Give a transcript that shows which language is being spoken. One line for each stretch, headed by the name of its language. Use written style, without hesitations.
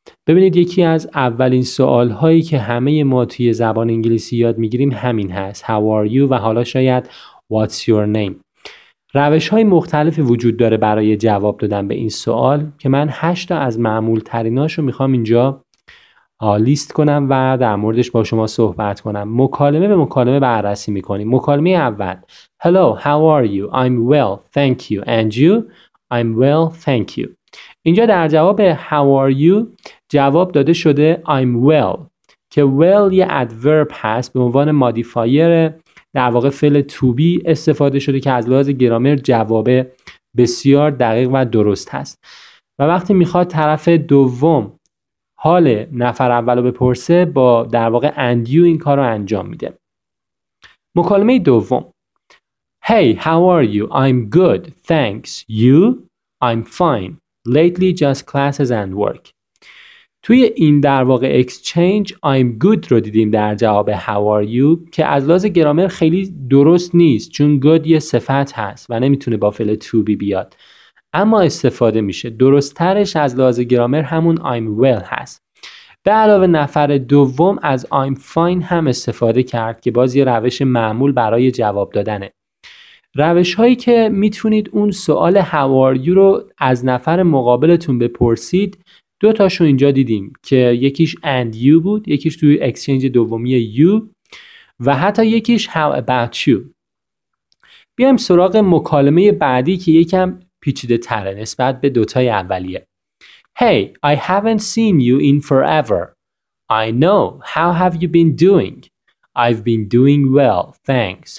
Persian: ببینید، یکی از اولین سوال‌هایی که همه ما توی زبان انگلیسی یاد می‌گیریم همین هست:
English: How are you
Persian: و حالا شاید
English: What's your name.
Persian: روش‌های مختلفی وجود داره برای جواب دادن به این سوال که من 8 تا از معمول‌ترین‌هاش رو می‌خوام اینجا لیست کنم و در موردش با شما صحبت کنم. مکالمه به مکالمه بررسی میکنیم. مکالمه اول:
English: Hello, how are you? I'm well, thank you. And you? I'm well, thank you.
Persian: اینجا در جواب
English: How are you
Persian: جواب داده شده
English: I'm well،
Persian: که well یه adverb هست، به عنوان modifier در واقع فعل to be استفاده شده که از لحاظ گرامر جواب بسیار دقیق و درست هست. و وقتی میخواد طرف دوم حال نفر اولو بپرسه، با در واقع
English: and you
Persian: این کارو انجام میده. مکالمه دوم:
English: Hey, how are you? I'm good, thanks. You? I'm fine. Lately just classes and work.
Persian: توی این در واقع exchange
English: I'm good
Persian: رو دیدیم در جواب
English: how are you،
Persian: که از لحاظ گرامر خیلی درست نیست، چون good یه صفت هست و نمیتونه با فعل to be بیاد، اما استفاده میشه. درست ترش از لحاظ گرامر همون
English: I'm well
Persian: هست. به علاوه نفر دوم از
English: I'm fine
Persian: هم استفاده کرد، که باز یه روش معمول برای جواب دادنه. روش هایی که میتونید اون سوال
English: How are you
Persian: رو از نفر مقابلتون بپرسید، دو تاشو اینجا دیدیم، که یکیش
English: and you
Persian: بود، یکیش توی exchange دومی you، و حتی یکیش
English: How about you.
Persian: بیایم سراغ مکالمه بعدی که یکم پیچیده تره نسبت به دوتای اولیه.
English: Hey, I haven't seen you in forever. I know. How have you been doing? I've been doing well, thanks.